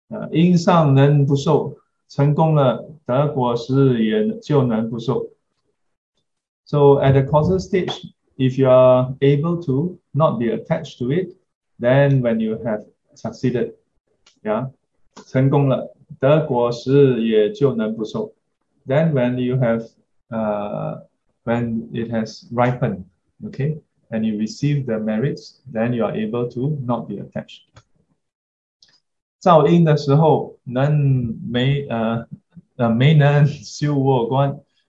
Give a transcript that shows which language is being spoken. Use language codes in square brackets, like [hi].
[zh] 因上能不受, 成功了, 得果时也就能不受. [en] So at the causal stage, if you are able to not be attached to it, then when you have succeeded, yeah, [zh] 成功了, 得果时也就能不受. [en] Then when you have, when it has ripened, okay, and you receive the merits, then you are able to not be attached. [zh] 造因的时候没能修卧观.